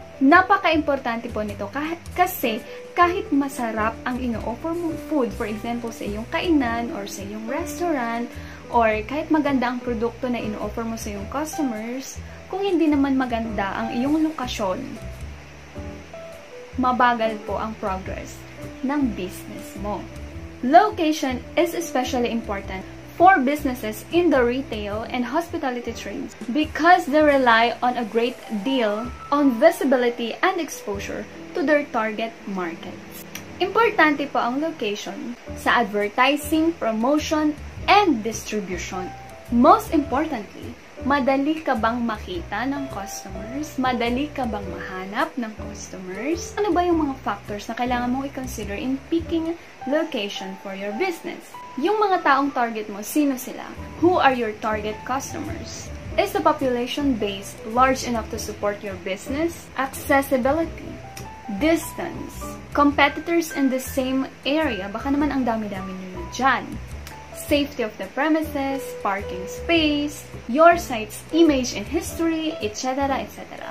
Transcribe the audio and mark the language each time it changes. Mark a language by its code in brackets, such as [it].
[tl] Napaka-importante po nito kasi kahit masarap ang ino-offer mo food, for example, sa iyong kainan or sa iyong restaurant, or kahit maganda ang produkto na ino-offer mo sa iyong customers, kung hindi naman maganda ang iyong lokasyon, mabagal po ang progress ng business mo. [en] Location is especially important for businesses in the retail and hospitality trades because they rely on a great deal on visibility and exposure to their target markets. [tl] Importante po ang location sa advertising, promotion, and distribution. Most importantly, madali ka bang makita ng customers? Madali ka bang mahanap ng customers? Ano ba yung mga factors na kailangan mong i-consider in picking location for your business? Yung mga taong target mo, sino sila? [en] Who are your target customers? Is the population base large enough to support your business? Accessibility, distance, competitors in the same area, baka naman ang dami-dami nyo dyan. Safety of the premises, parking space, your site's image and history, etc., etc.